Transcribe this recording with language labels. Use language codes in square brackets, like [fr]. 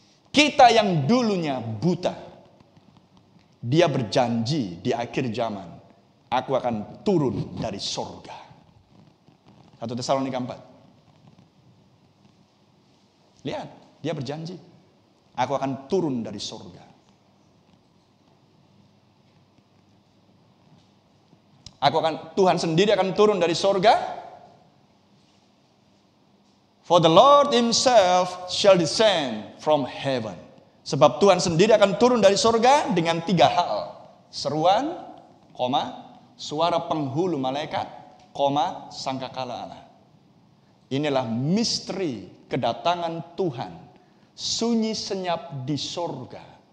[id] Kita yang dulunya buta, Dia berjanji di akhir zaman, aku akan turun dari surga. 1 Tesalonika 4. Lihat, Dia berjanji. Aku akan turun dari surga. Tuhan sendiri akan turun dari surga. [en] For the Lord himself shall descend from heaven. [id] Sebab Tuhan sendiri akan turun dari surga dengan 3 hal. Seruan, koma, suara penghulu malaikat, koma, sangkakala Allah. Inilah misteri kedatangan Tuhan. Sunyi senyap di surga.